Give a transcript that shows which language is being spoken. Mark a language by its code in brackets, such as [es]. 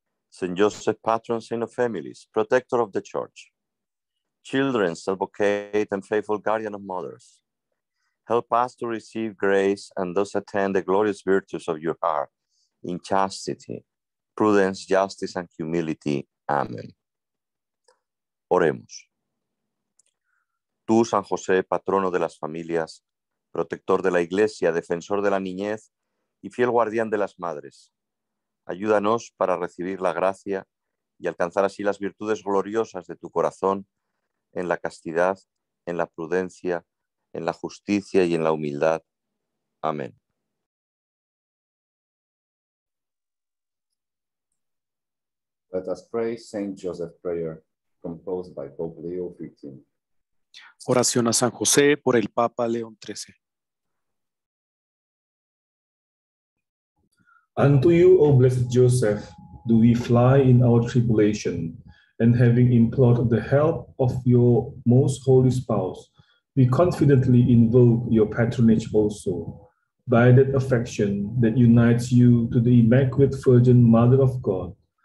[en] Saint Joseph, patron saint of families, protector of the church, children's advocate and faithful guardian of mothers, help us to receive grace and thus attend the glorious virtues of your heart in chastity, prudence, justice, and humility. [es] Amen. Oremos. Tú, San José, patrono de las familias, protector de la iglesia, defensor de la niñez y fiel guardián de las madres, ayúdanos para recibir la gracia y alcanzar así las virtudes gloriosas de tu corazón en la castidad, en la prudencia, en la justicia y en la humildad. Amén. [en] Let us pray Saint Joseph prayer, composed by Pope Leo XV. [es] Oración a San José por el Papa León XIII. [en] Unto you, O blessed Joseph, do we fly in our tribulation, and having implored the help of your most holy spouse, we confidently invoke your patronage also, by that affection that unites you to the Immaculate Virgin Mother of God,